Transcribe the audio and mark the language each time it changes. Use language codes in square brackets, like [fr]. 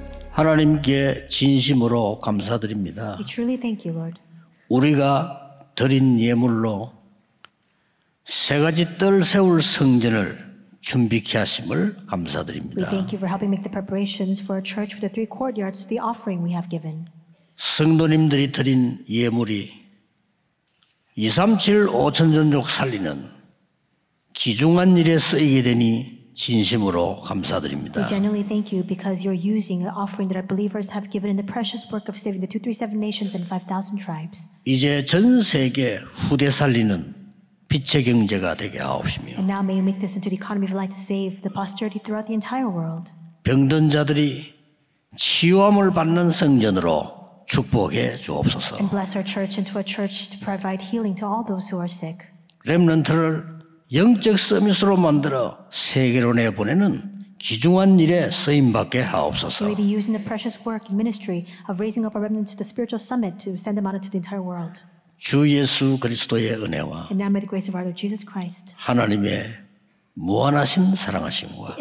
[ko] 하나님께 진심으로 감사드립니다. [en] We truly thank you, Lord. [ko] 우리가 드린 예물로 세 가지 뜰 세울 성전을 준비케 하심을 감사드립니다. [en] We thank you for helping make the preparations for our church with the three courtyards, the offering we have given. [ko] 성도님들이 드린 예물이 237 오천전족 살리는 귀중한 일에 쓰이게 되니 진심으로 감사드립니다. [en] We genuinely thank you because you're using the offering that our believers have given in the precious work of saving the 237 nations and 5,000 tribes. [ko] 이제 전 세계 후대 살리는 빛의 경제가 되게 하옵시며. [en] And now may you make this into the economy of light to save the posterity throughout the entire world. [ko] 병든 자들이 치유함을 받는 성전으로 축복해 주옵소서. [en] And bless our church into a church to provide healing to all those who are sick. [ko] 렘넌트를 영적 서밋으로 만들어 세계로 내보내는 귀중한 일에 쓰임받게 하옵소서. [en] We'll be using the precious work and ministry of raising up our remnants to the spiritual summit to send them out into the entire world. [ko] 주 예수 그리스도의 은혜와 [en] And now may the grace of our Lord Jesus Christ [ko] 하나님의 무한하신 사랑하심과